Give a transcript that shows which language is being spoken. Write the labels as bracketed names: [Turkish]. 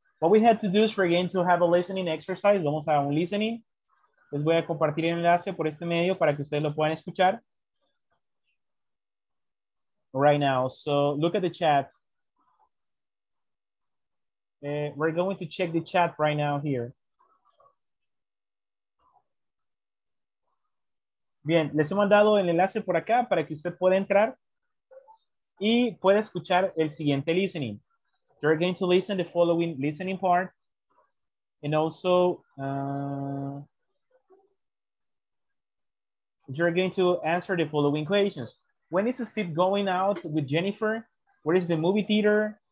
[English] What we had to do is we're going to have a listening exercise. [Spanish] Vamos a un listening. Les voy a compartir el enlace por este medio para que ustedes lo puedan escuchar. [English] Right now. So look at the chat. We're going to check the chat right now here. [Spanish] Bien, les he mandado el enlace por acá para que usted pueda entrar. Y puede escuchar el siguiente listening. [English] You're going to listen the following listening part. And also, you're going to answer the following questions. When is Steve going out with Jennifer? Where is the movie theater?